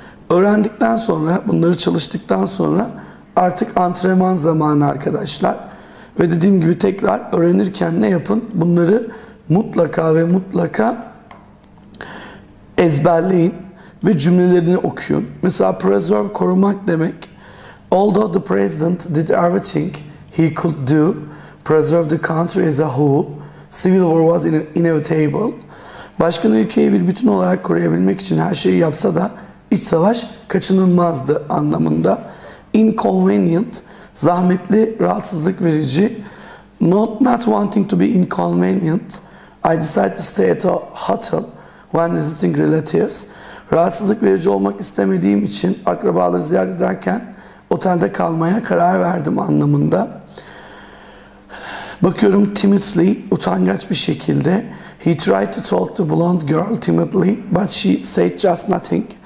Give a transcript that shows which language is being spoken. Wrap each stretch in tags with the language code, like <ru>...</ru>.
<tr>Öğrendikten sonra, bunları çalıştıktan sonra artık antrenman zamanı arkadaşlar. Ve dediğim gibi tekrar öğrenirken ne yapın? Bunları mutlaka ve mutlaka ezberleyin ve cümlelerini okuyun. Mesela preserve, korumak demek.</tr> <en>Although the president did everything he could do, preserve the country as a whole, civil war was inevitable.</en> <tr>Başkan ülkeyi bir bütün olarak koruyabilmek için her şeyi yapsa da iç savaş kaçınılmazdı anlamında. Inconvenient, zahmetli, rahatsızlık verici.</tr> <en>Not wanting to be inconvenient, I decided to stay at a hotel when visiting relatives.</en> <tr>Rahatsızlık verici olmak istemediğim için akrabaları ziyaret ederken otelde kalmaya karar verdim anlamında. Bakıyorum</tr> <en>timidly,</en> <tr>utangaç bir şekilde.</tr> <en>He tried to talk to blonde girl timidly, but she said just nothing.</en>